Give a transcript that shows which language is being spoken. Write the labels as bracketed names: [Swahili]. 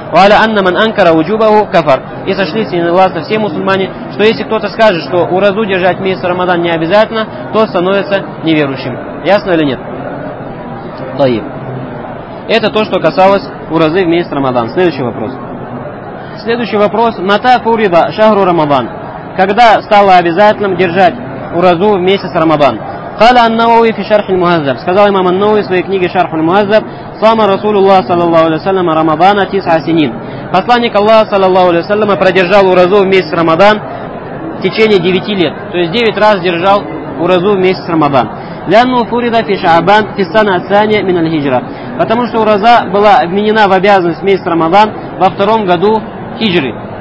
[Arabic] Валя анна ман анкара уджубаху кафар. [Russian] И сошлись единогласно все мусульмане, что если кто-то скажет, что уразу держать в месяц Рамадан не обязательно, то становится неверующим. Ясно или нет? Таиб. Это то, что касалось уразы в месяц Рамадан. Следующий вопрос. Следующий вопрос. [Arabic] Мата фурида шахру Рамадан. [Russian] Когда стало обязательным держать уразу в месяц Рамадан? [Arabic] قال النووي في شرح المهذب, [Russian] сказал имам النووي в своей книге Шарх аль-Мухаззаб, [Arabic] صام رسول الله صلى الله عليه وسلم رمضان 9 سنين. [Russian] Посланник Аллаха саллаллаху алейхи ва саллям продержал уразу в месяц Рамадан в течение 9 лет. То есть 9 раз держал уразу в месяц Рамадан. [Arabic] Лянну фурида фи шаабан фи сана ас-сания мин аль-хиджра. [Russian] Потому что ураза была вменена в обязанность в месяц Рамадан во втором году хиджры.